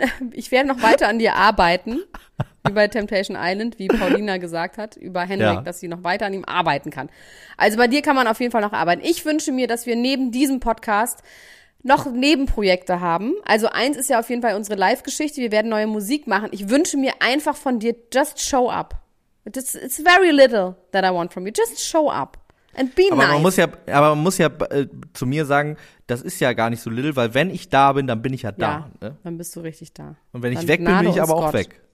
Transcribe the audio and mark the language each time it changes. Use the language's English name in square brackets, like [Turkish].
[German] Ich werde noch weiter an dir arbeiten. Wie bei Temptation Island, wie Paulina gesagt hat, über Henrik, dass sie noch weiter an ihm arbeiten kann. Also bei dir kann man auf jeden Fall noch arbeiten. Ich wünsche mir, dass wir neben diesem Podcast noch Nebenprojekte haben. Also eins ist ja auf jeden Fall unsere Live-Geschichte. Wir werden neue Musik machen. Ich wünsche mir einfach von dir, [English] just show up. It's very little that I want from you. Just show up and be [German] aber [English] nice. [German] Man muss zu mir sagen, das ist ja gar nicht so little, weil wenn ich da bin, dann bin ich ja da. Ja, ne? Dann bist du richtig da. Und wenn ich weg bin, bin ich aber auch weg.